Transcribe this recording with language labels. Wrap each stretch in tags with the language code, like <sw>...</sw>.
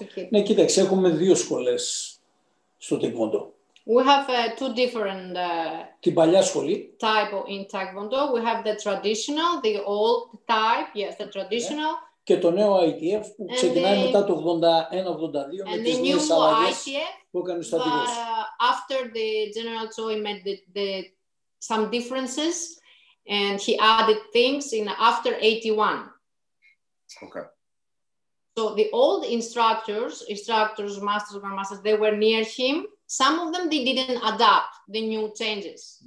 <el>Ναι, κοίταξε, έχουμε δύο σχολές στο Taekwondo.</el> <en>We have two different</en> <el>την παλιά σχολή.</el> <en>Type of in Taekwondo. We have the traditional, the old type, yes, the traditional.</en> <el>Και το νέο ITF που ξεκινάει μετά το 81-82 με τις νέες αλλαγές που έκανε ο στρατηγός.</el> <en>After the General Choi made the some differences and he added things in after 81. Okay. So the old instructors, masters, grandmasters, they were near him. Some of them, they didn't adapt the new changes.</en>